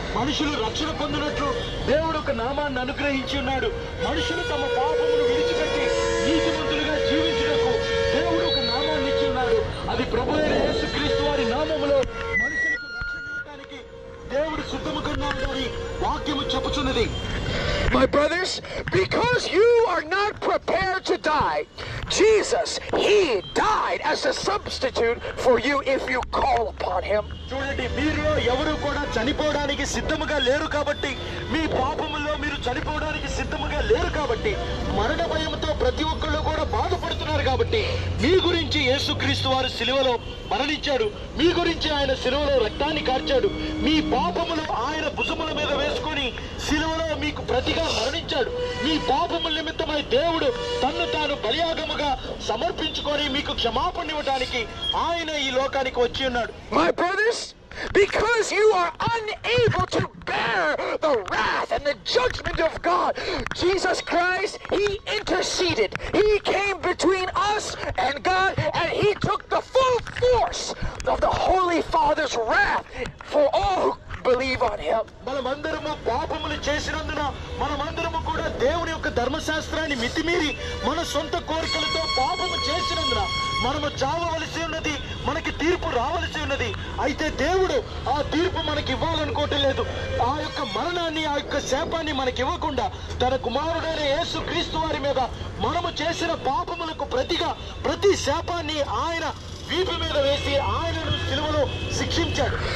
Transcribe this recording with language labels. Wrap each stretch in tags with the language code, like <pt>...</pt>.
<te>మనుషులు రక్షణ పొందినట్లు దేవుడు ఒక నామాన్ని అనుగ్రహించి ఉన్నాడు. మనుషులు తమ పాపములను విడిచిపెట్టి నీతిమంతులుగా జీవించినకు దేవుడు ఒక నామాన్ని ఇచ్చి ఉన్నాడు. అది ప్రభు అయిన యేసుక్రీస్తు వారి నామములో మనుషులకు రక్షణ ఇవ్వడానికి దేవుడు సిద్ధముకున్నాడని వాక్యము చెప్పుచున్నది.</te> <en>My brothers, because you are not prepared to die, Jesus, he died as a substitute for you if you call upon him.</en> <te>చూడండి, మీరు ఎవరు కూడా చనిపోవడానికి సిద్ధముగా లేరు కాబట్టి, మీ పాపములో మీరు చనిపోవడానికి సిద్ధముగా లేరు కాబట్టి, మరణ భయంతో ప్రతి ఒక్కళ్ళు కూడా బాధపడుతున్నారు కాబట్టి, మీ గురించి యేసుక్రీస్తు వారు సిలువలో మరణించాడు, మీ గురించి ఆయన సిలువలో రక్తాన్ని కార్చాడు, మీ పాపములు ఆయన భుజముల మీద వేసుకొని సిలువలో మీకు ప్రతిగా మరణించాడు, మీ పాపముల నిమిత్తమై దేవుడు తన్ను తాను బలియాగముగా సమర్పించుకొని మీకు క్షమాపణ ఇవ్వడానికి ఆయన ఈ లోకానికి వచ్చి ఉన్నాడు.</te> <en>Because you are unable to bear the wrath and the judgment of God, Jesus Christ, he interceded. He came between us and God, and he took the full force of the Holy Father's wrath for all who believe on him.</en> <te>మనమందరము పాపములు చేసినందున మనమందరము కూడా దేవుని యొక్క ధర్మశాస్త్రాన్ని మితిమీరి మన సొంత కోరికలతో పాపము చేసినందున మనము చావవలసి ఉన్నది, మనకి తీర్పు రావలసి ఉన్నది. అయితే దేవుడు ఆ తీర్పు మనకి ఇవ్వాలనుకోవటం లేదు. ఆ యొక్క మరణాన్ని, ఆ యొక్క శాపాన్ని మనకి ఇవ్వకుండా తన కుమారుడైన యేసు క్రీస్తు వారి మీద మనము చేసిన పాపములకు ప్రతిగా ప్రతి శాపాన్ని ఆయన వీపు మీద వేసి ఆయనను సిలువలో శిక్షించాడు.</te>